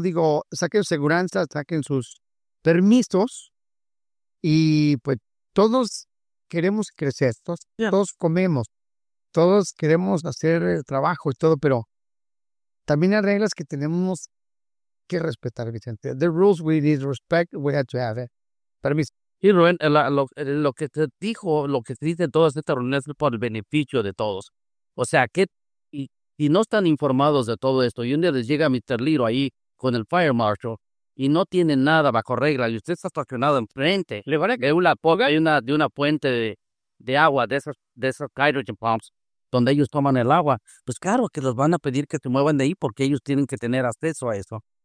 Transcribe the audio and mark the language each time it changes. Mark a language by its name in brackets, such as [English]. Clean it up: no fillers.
[Spanish] Digo, saquen seguranza, saquen sus permisos. Y pues todos... Queremos crecer, todos comemos, todos queremos hacer trabajo y todo, pero también hay reglas que tenemos que respetar, Vicente. [English] The rules we need respect, we have to have it. [Spanish] Permiso. Y Rubén, lo que se dijo, lo que se dice en todas estas reuniones es por el beneficio de todos. O sea, y no están informados de todo esto, y un día les llega Mr. Liro ahí con el Fire Marshal y no tiene nada bajo regla y usted está estacionado enfrente de una fuente de agua, de esos [English] hydrogen pumps, [Spanish] donde ellos toman el agua, pues claro que los van a pedir que se muevan de ahí porque ellos tienen que tener acceso a eso.